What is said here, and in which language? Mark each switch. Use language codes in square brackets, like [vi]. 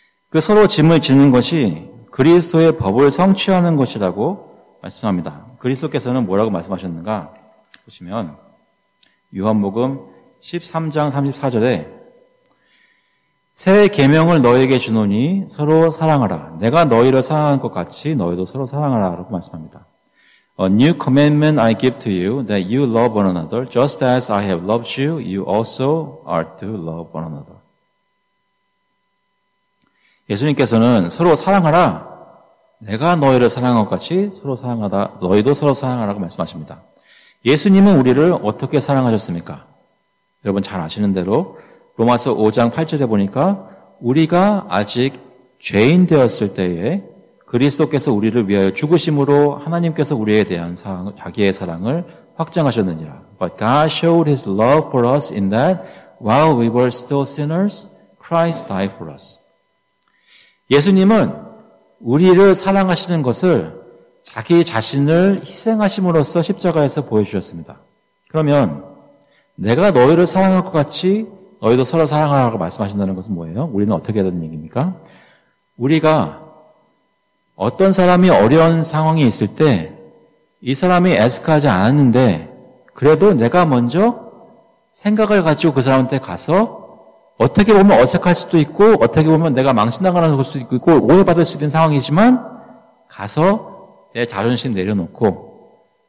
[ko] 그 서로 짐을 지는 것이 그리스도의 법을 성취하는 것이라고 말씀합니다. 그리스도께서는 뭐라고 말씀하셨는가? 보시면 요한복음 13장 34절에 새 계명을 너에게 주노니 서로 사랑하라. 내가 너희를 사랑한 것 같이 너희도 서로 사랑하라. 라고 말씀합니다. [en] A new commandment I give to you, that you love one another, just as I have loved you, you also are to love one another. [ko] 예수님께서는 서로 사랑하라. 내가 너희를 사랑한 것 같이 서로 사랑하다. 너희도 서로 사랑하라고 말씀하십니다. 예수님은 우리를 어떻게 사랑하셨습니까? 여러분 잘 아시는 대로 로마서 5장 8절에 보니까 우리가 아직 죄인 되었을 때에 그리스도께서 우리를 위하여 죽으심으로 하나님께서 우리에 대한 사랑, 자기의 사랑을 확장하셨느니라. [en] But God showed his love for us in that while we were still sinners, Christ died for us. [ko] 예수님은 우리를 사랑하시는 것을 자기 자신을 희생하심으로써 십자가에서 보여주셨습니다. 그러면 내가 너희를 사랑할 것 같이 너희도 서로 사랑하라고 말씀하신다는 것은 뭐예요? 우리는 어떻게 해야 되는 얘기입니까? 우리가 어떤 사람이 어려운 상황에 있을 때 이 사람이 애쓰하지 않았는데 그래도 내가 먼저 생각을 가지고 그 사람한테 가서 어떻게 보면 어색할 수도 있고 어떻게 보면 내가 망신당할 수도 있고 오해받을 수 있는 상황이지만 가서 내 자존심 내려놓고